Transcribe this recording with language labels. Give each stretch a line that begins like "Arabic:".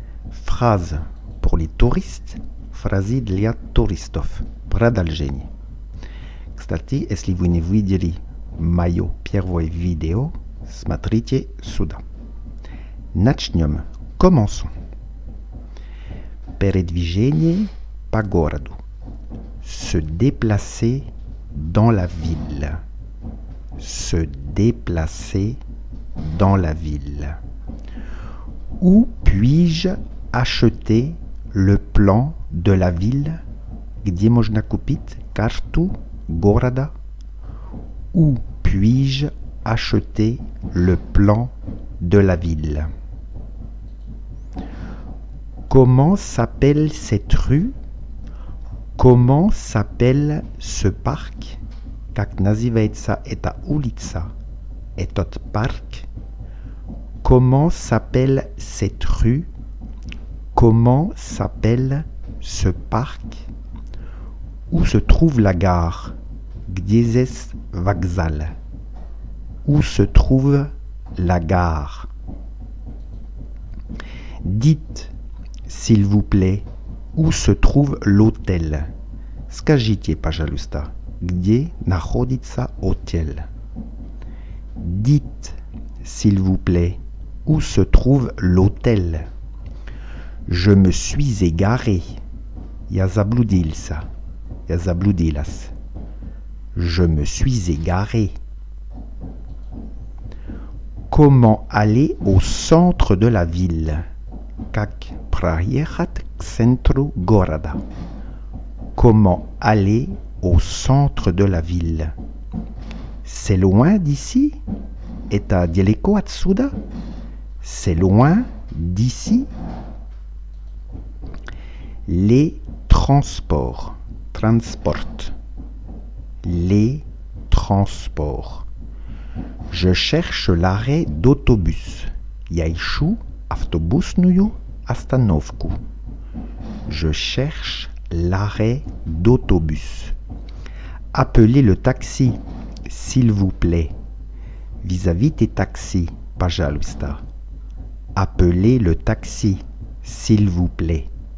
French: Phrase pour les touristes.
Russian: Фразы для туристов. Продолжение. Кстати, если вы не видели мое первое видео, смотрите сюда. Начнем.
French: Commençons.
Russian: Передвижение по городу.
French: Se déplacer dans la ville. Se déplacer dans la ville. Où puis-je acheter le plan de la ville?
Russian: Где можно купить карту города?
French: Où puis-je acheter le plan de la ville? Comment s'appelle cette rue? Comment s'appelle ce parc?
Russian: Как называется эта улица? Этот парк?
French: Comment s'appelle cette rue? Comment s'appelle ce parc? Où se trouve la gare?
Russian: Где здесь вокзал?
French: Où se trouve la gare? Dites, s'il vous plaît, où se trouve l'hôtel?
Russian: Скажите, пожалуйста, где находится отель?
French: Dites, s'il vous plaît, où se trouve l'hôtel? Je me suis égaré.
Russian: Я заблудился. Я заблудилась.
French: Je me suis égaré. Comment aller au centre de la ville?
Russian: Как проехать к центру города?
French: Comment aller au centre de la ville? C'est loin d'ici?
Russian: Это далеко отсюда?
French: C'est loin d'ici? Les transports. Transport. Les transports. Je cherche l'arrêt d'autobus.
Russian: Я ищу автобусную остановку.
French: Je cherche l'arrêt d'autobus. Appelez le taxi, s'il vous plaît. Vis-à-vis des taxis, пожалуйста. Appelez le taxi, s'il vous plaît.